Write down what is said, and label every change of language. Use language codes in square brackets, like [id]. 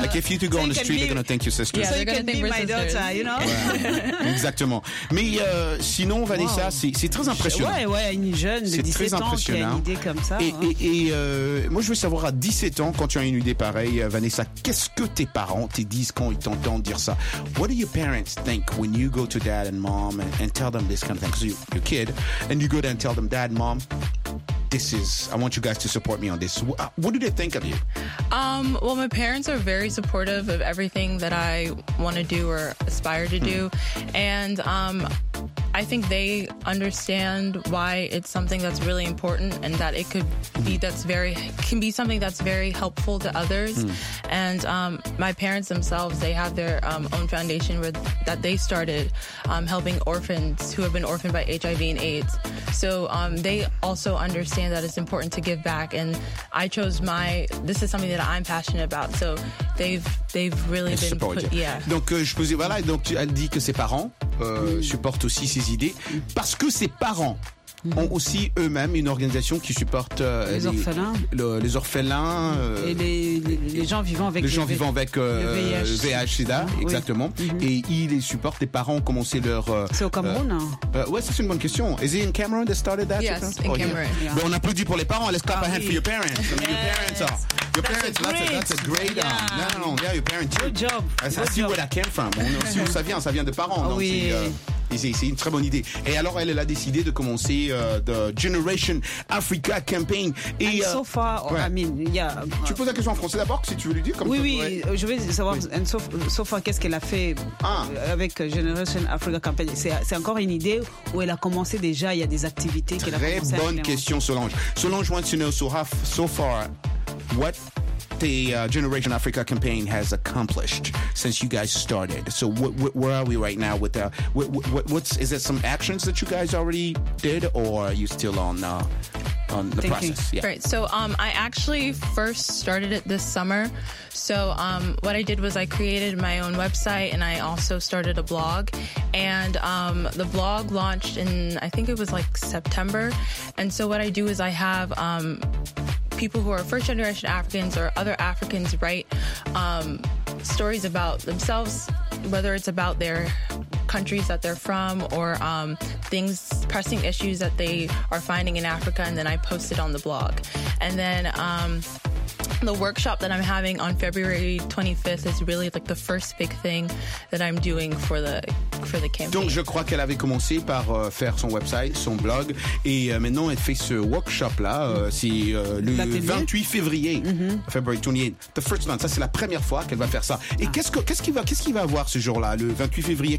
[en] Like if you two go on the street, they're going to think you're sisters. Yeah, so you can be my daughter, you know? [fr] Ouais. Exactement. Mais sinon, Vanessa, wow. C'est très impressionnant. Ouais, ouais, une jeune de 17 ans qui a une idée comme ça. Et moi, je veux savoir, à 17 ans, quand tu as une idée pareille, Vanessa, qu'est-ce que tes parents te disent quand ils t'entendent dire ça? [en] What do your parents think when you go to dad and mom and tell them this kind of thing? Because you're a kid, and you go there and tell them, dad, mom, this is, I want you guys to support me on this. What do they think of you? Well, my parents are very supportive of everything that I want to do or aspire to do. And I think they understand why it's something that's really important and that it could be something that's very helpful to others. And my parents themselves, they have their own foundation that they started helping orphans who have been orphaned by HIV and AIDS. So they also understand that it's important to give back. And I chose this is something that I'm passionate about. So they've really been [fr] Donc je posais, voilà, donc tu as dit que ses parents supportent aussi ses idées parce que ses parents ont aussi eux-mêmes une organisation qui supporte les orphelins et les gens vivant avec le VIH-Sida, exactement. Oui. Mm-hmm. Et ils les supportent, les parents ont commencé leur... C'est au Cameroun, hein? Ouais, c'est une bonne question. [en] Is it in Cameroon that started that? Yes, in Cameroon. Yeah. [fr] Bon, on applaudit pour les parents. [en] Let's clap a hand for your parents. Yes. I mean, your parents, that's a great... your parents, too. Good job. See where that came from. [fr] ça vient de parents. Oui. C'est une très bonne idée. Et alors, elle a décidé de commencer The Generation Africa Campaign. Tu poses la question en français d'abord, si tu veux lui dire. Je veux savoir, [en] so far, [fr] qu'est-ce qu'elle a fait avec Generation Africa Campaign. C'est encore une idée où elle a commencé déjà, il y a des activités qu'elle a commencé. Très bonne question, Solange. [en] Solange wants to know, so far, what the Generation Africa campaign has accomplished since you guys started. So where are we right now with that? Is there some actions that you guys already did, or are you still on the process? Right. So I actually first started it this summer. So what I did was I created my own website and I also started a blog. And the blog launched in, I think it was like September. And so what I do is I have people who are first generation Africans or other Africans write stories about themselves, whether it's about their countries that they're from or things, pressing issues that they are finding in Africa, and then I post it on the blog. And then the workshop that I'm having on February 25th is really like the first big thing that I'm doing for the campaign. [fr] Donc je crois qu'elle avait commencé par faire son website, son blog, et maintenant elle fait ce workshop là. C'est le 28 février, mm-hmm. [en] February 28th, the first one. [fr] Ça c'est la première fois qu'elle va faire ça. Et qu'est-ce qu'il va avoir ce jour là, le 28 février?